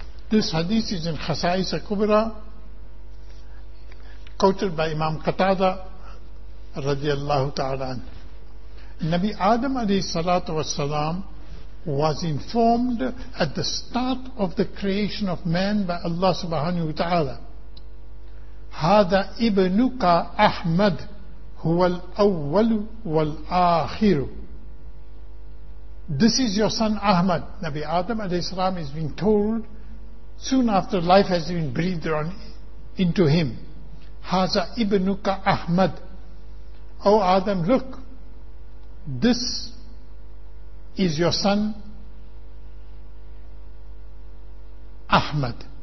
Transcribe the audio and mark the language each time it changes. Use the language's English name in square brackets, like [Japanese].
[English] This hadith is in Khasais al-Kubra, quoted by Imam Qatada radiallahu ta'ala. Nabi Adam alayhi salatu wasalam was informed at the start of the creation of man by Allah subhanahu wa ta'ala. [Arabic] هذا ابنك أحمد هو الأول والآخر. [English] This is your son Ahmad. Nabi Adam alayhi salam is being told soon after life has been breathed on into him. [Arabic] هذا ابنك أحمد. [English] O Adam, look, this is your son Ahmad.